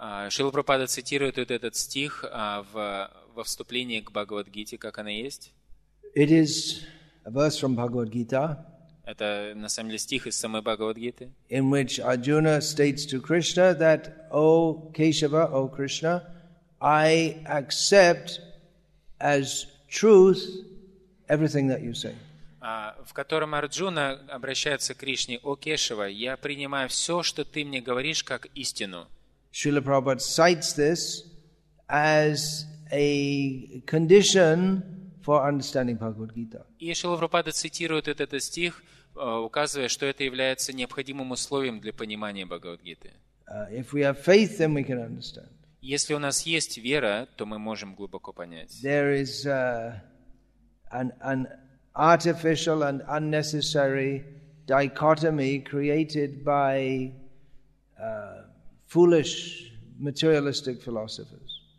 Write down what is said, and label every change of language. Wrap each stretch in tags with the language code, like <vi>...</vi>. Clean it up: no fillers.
<ru>Шрила Прабхупада цитирует вот этот стих во вступлении к Бхагавад Гите, как она есть.</ru> <en>It is a verse from Bhagavad Gita.</en> <ru>Это на самом деле стих из самой Бхагавад Гиты.</ru> <en>In which Arjuna states to Krishna that, O Keshava, O Krishna, I accept as truth everything that you say.</en> <ru>В котором Арджуна обращается к Кришне: О Кешава, я принимаю все, что ты мне говоришь, как истину.</ru> <en>Srila Prabhupada cites this as a condition for understanding Bhagavad Gita.</en> <ru>И Шрила Прабхупада цитирует этот стих, указывая, что это является необходимым условием для понимания Бхагавад-гиты.</ru> <en>If we have faith, then we can understand.</en> <ru>Если у нас есть вера, то мы можем глубоко понять.</ru> <en>There is an artificial and unnecessary dichotomy created by foolish materialistic philosophers.</en>